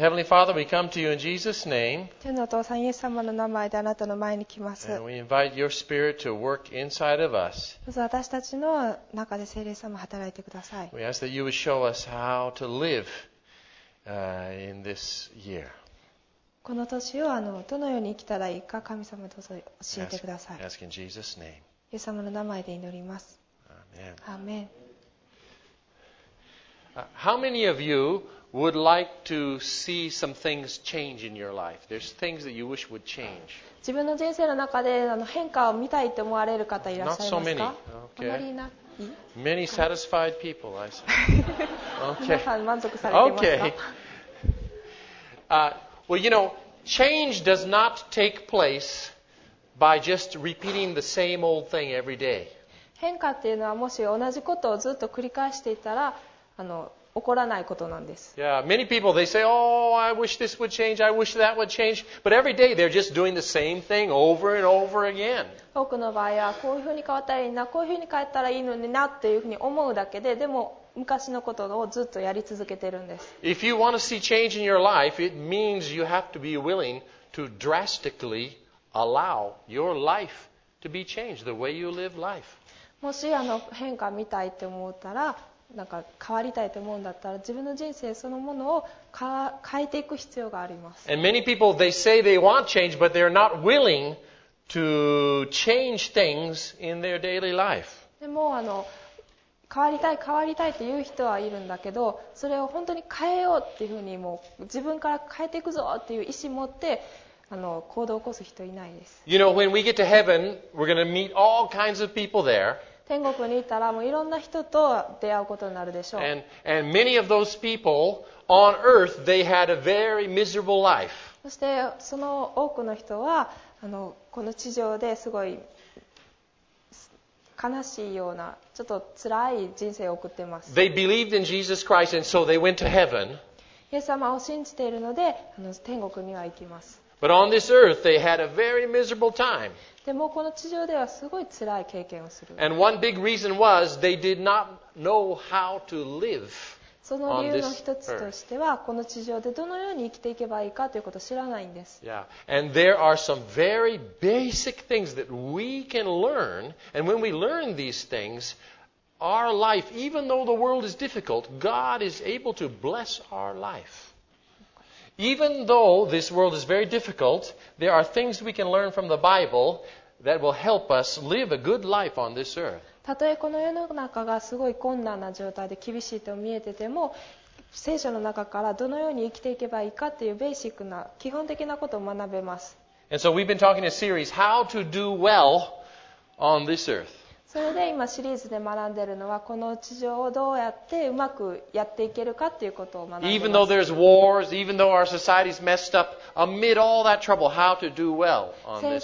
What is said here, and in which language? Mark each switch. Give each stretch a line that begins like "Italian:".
English: Heavenly Father, we come to you in Jesus' name.
Japanese: 天のお父さん、イエス様の名前であなたの前に来ます。
English: And we invite your spirit to work inside of us.
Japanese: まず私たちの中で聖霊様働いてください。
English: We ask that you would show us how to live, in this year.
Japanese: この年をどのように生きたらいいか、神様どうぞ教えてください。
English: Ask in Jesus' name.
Japanese: イエス様の名前で祈ります。
English: Amen. Amen. How many of you would like to see some things change in your life? There's things that you wish would change.
Japanese: 自分の人生の中で変化を見たいと思われる方いらっしゃいますか?
English: Not so many. Okay. Many satisfied people, I see. Okay.
Japanese: 皆さん満足されていますか?
English: Okay. Well, you know, change does not take place by just repeating the same old thing every day.
Japanese: 変化っていうのはもし同じことをずっと繰り返していたら起こらないことなんです。
English: Yeah, many people they say, oh, I wish this would change, I wish that would change, but every day they're just doing the same thing over and over again.
Japanese: 多くの場合はこういうふうに変わったらいいな、こういうふうに変えたらいいのになっていうふうに思うだけで、でも昔のことをずっとやり続けてるんです。
English: If you want to see change in your life, it means you have to be willing to drastically allow your life to be changed, the way you live life.
Japanese: もし変化見たいって思ったら。なんか変わりたいと思うんだったら自分の人生そのものを変えていく必要があります。
English: And many people, they say they want change, but they're not willing to change things in their daily life.
Japanese: でも変わりたい変わりたいという人はいるんだけど、それを本当に変えようっていうふうにもう自分から変えていくぞっていう意思を持って行動を起こす人いないです。
English: You know, when we get to heaven, we're going to meet all kinds of people there.
Japanese: 天国にいたらもういろんな人と出会うことになるでしょう。
English: And many of those people on earth, they had a very miserable life.
Japanese: そしてその多くの人はこの地上ですごい悲しいようなちょっと辛い人生を送っています。
English: They believed in Jesus Christ and so they went to heaven.
Japanese: イエス様を信じているので天国には行きます。
English: But on this earth, they had a very miserable time.
Japanese: でもこの地上ではすごい辛い経験をする。
English: And one big reason was they did not know how to live on this earth.
Japanese: その理由の一つとしてはこの地上でどのように生きていけばいいかということを知らないんです。
English: Yeah, and there are some very basic things that we can learn. And when we learn these things, our life, even though the world is difficult, God is able to bless our life. Even though this world is very difficult, there are things we can learn from the Bible that will help us live a good life on this earth.
Japanese: たとえこの世の中がすごい困難な状態で厳しいと見えてても、聖書の中からどのように生きていけばいいかっていうベーシックな基本的なことを学べます。
English: And so we've been talking in a series, how to do well on this earth.
Japanese: それで今シリーズで学んでいるのはこの地上をどうやってうまくやっていけるかということを学んでいます。
English: Even though there's wars, even though our society's messed up, amid all that trouble, how to do well on this earth.